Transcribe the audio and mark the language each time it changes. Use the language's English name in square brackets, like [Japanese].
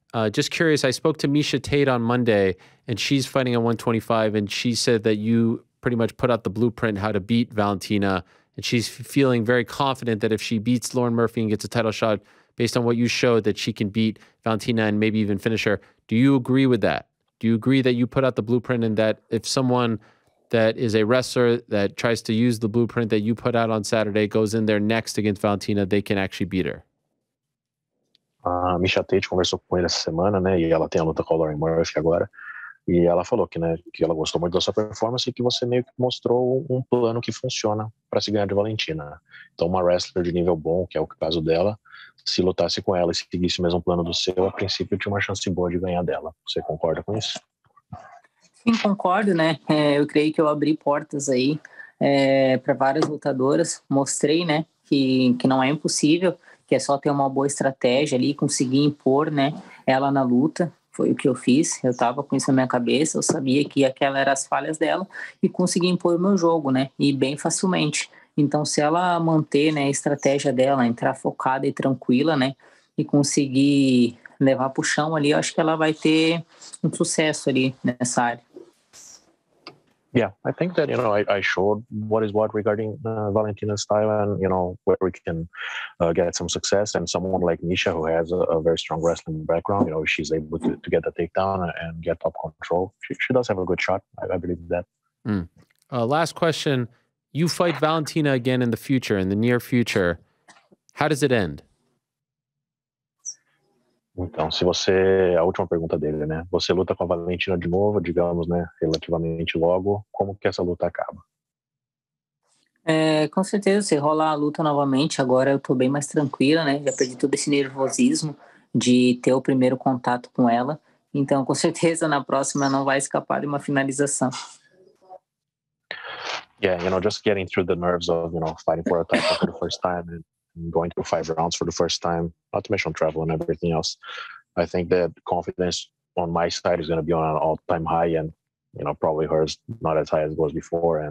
[English] Just curious, I spoke to Misha Tate on Monday, and she's fighting at 125, and she said that you pretty much put out the blueprint how to beat Valentina, and she's feeling very confident that if she beats Lauren Murphy and gets a title shot, based on what you showed, that she can beat Valentina and maybe even finish her. Do you agree with that? Do you agree that you put out the blueprint and that if someone that is a wrestler that tries to use the blueprint that you put out on Saturday goes in there next against Valentina, they can actually beat her? [Portuguese] Misha Tate conversou com ele essa semana, né? E ela tem a luta com a Lauren Murphy agora. E ela falou que, né, que ela gostou muito da sua performance e que você meio que mostrou um plano que funciona para se ganhar de Valentina. Então, uma wrestler de nível bom, que é o caso dela, se lutasse com ela e seguisse o mesmo plano do seu, a princípio tinha uma chance boa de ganhar dela. Você concorda com isso? Sim, concordo, né? Eu creio que eu abri portas aí para várias lutadoras. Mostrei, né, que não é impossível, que é só ter uma boa estratégia ali, conseguir impor, né, ela na luta. Foi o que eu fiz, eu tava com isso na minha cabeça, eu sabia que aquela era as falhas dela e consegui impor o meu jogo, né, e bem facilmente. Então, se ela manter, né, a estratégia dela, entrar focada e tranquila, né, e conseguir levar pro chão ali, eu acho que ela vai ter um sucesso ali nessa área. [English] Yeah, I think that, you know, I showed what is what regarding Valentina's style and, you know, where we can get some success. And someone like Misha, who has a very strong wrestling background, you know, she's able to get the takedown and get top control. She does have a good shot. I believe that. Mm. Last question. You fight Valentina again in the future, in the near future. How does it end? [Portuguese] Então, se você, a última pergunta dele, né? Você luta com a Valentina de novo, digamos, né, relativamente logo, como que essa luta acaba? Com certeza, se rolar a luta novamente, agora eu tô bem mais tranquila, né? Já perdi todo esse nervosismo de ter o primeiro contato com ela. Então, com certeza, na próxima não vai escapar de uma finalização. [English] Yeah, you know, just getting through the nerves of, you know, fighting for a title for the first time and going to 5 rounds for the first time, not to mention travel and everything else. I think that confidence on my side is going to be on an all-time high, and you know, probably hers not as high as it was before.